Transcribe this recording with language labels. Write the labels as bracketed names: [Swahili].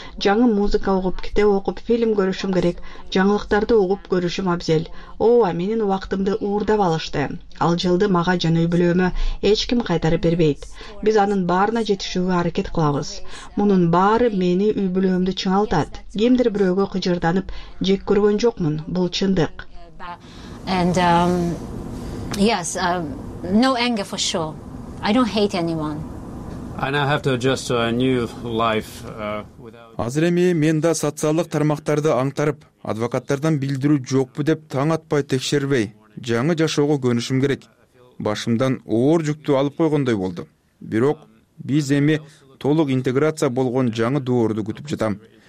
[Kyrgyz] Жаңы музыка угуп, китеп окуп, фильм көрүшүм керек. Жаңылыктарды угуп көрүшүм абзел. Ооба, менин убактымды уурдап алышты. Ал жылды мага жана үй бүлөмө эч ким кайтарып бербейт. Биз анын баарына жетишүүгө аракет кылабыз. Мунун баары мени үй бүлөмдү чыңалтат. Кимдир бирөөгө кыжырданып, жек көргөн жокмун. Бул чындык. [English] And yes, no anger for sure. I don't hate anyone. I now have to adjust to a new life without. [Kyrgyz] Азыр эми мен да социалдык тармактарды аңтарып, адвокаттардан билдирүү жокпу деп таң атпай текшербей, жаңы жашоого көнүшүм керек. Башымдан оор жүктү алып койгондой болду. Бирок биз эми толук интеграция болгон жаңы доорду күтүп жатам.